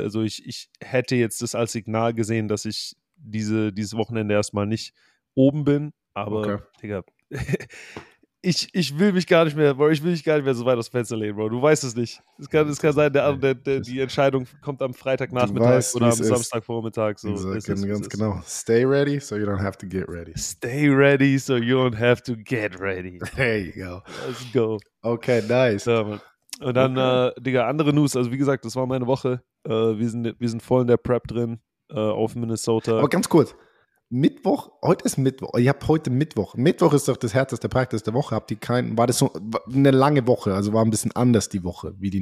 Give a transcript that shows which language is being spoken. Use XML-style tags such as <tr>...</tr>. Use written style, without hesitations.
<de>Also ich hätte jetzt das als Signal gesehen, dass ich dieses Wochenende erstmal nicht oben bin. Aber, Digga. Ich will mich gar nicht mehr, Bro, ich will mich gar nicht mehr so weit aus dem Fenster lehnen, Bro. Du weißt es nicht. Es kann sein, die Entscheidung kommt am Freitagnachmittag oder am Samstagvormittag. So. Ganz genau.</de> <en>Stay ready, so you don't have to get ready. Stay ready, so you don't have to get ready. There you go. Let's go. Okay, nice.</en> <de>So, und dann, Digga, andere News. Also wie gesagt, das war meine Woche. Wir sind voll in der Prep drin auf Minnesota. Aber ganz kurz. Mittwoch, heute ist Mittwoch, ihr habt heute Mittwoch. Mittwoch ist doch das härteste Praktikum der Woche. Habt ihr keinen, war das so eine lange Woche, also war ein bisschen anders die Woche, wie die</de>